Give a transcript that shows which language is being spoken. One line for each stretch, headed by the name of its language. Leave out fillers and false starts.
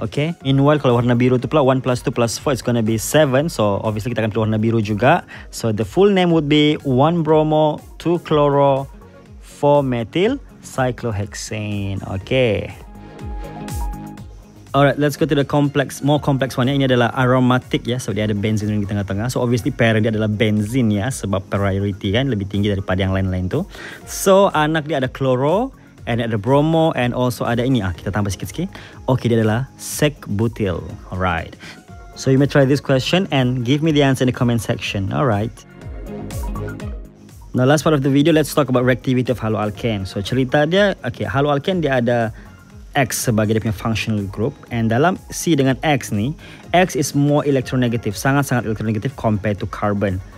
Malay: Okay, meanwhile kalau warna biru tu pula 1 plus 2 plus 4
English: it's gonna be
Malay: 7.
English: So obviously
Malay: kita akan pilih warna biru juga.
English: So the full name would be 1-bromo-2-chloro-4-methyl-cyclohexane. Okay. Alright, let's go to the complex, more complex one. Ya.
Malay: Ini adalah aromatic ya, sebab dia ada benzene di tengah-tengah.
English: So obviously
Malay: parent dia adalah benzene ya, sebab priority kan lebih tinggi daripada yang lain-lain tu. So anak dia ada chloro, and ada bromo,
English: and also
Malay: ada ini. Ah, kita tambah sikit-sikit. Okay, dia adalah sec-butyl.
English: Alright. So you may try this question and give me the answer in the comment section. Alright. Now last part of the video, let's talk about reactivity of haloalkane.
Malay: So cerita dia, okay, haloalkane dia ada X sebagai dia punya functional group. And dalam C dengan X ni,
English: X is more electronegative,
Malay: sangat-sangat electronegative
English: compared to carbon.